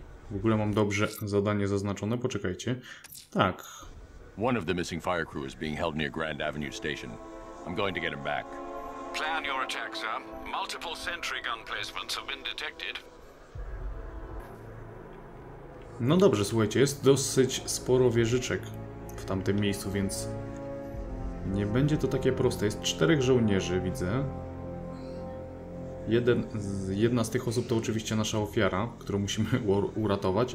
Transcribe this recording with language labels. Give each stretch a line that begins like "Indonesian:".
Polish: W ogóle mam dobrze zadanie zaznaczone, poczekajcie. Tak.
English: One of the missing fire crew is being held near Grand Avenue Station. I'm going to get him back. Plan your attack, sir. Multiple sentry gun placements have been detected.
Polish: No dobrze, słuchajcie, jest dosyć sporo wieżyczek w tamtym miejscu, więc nie będzie to takie proste. Jest czterech żołnierzy, widzę. Jedna z tych osób to oczywiście nasza ofiara, którą musimy uratować.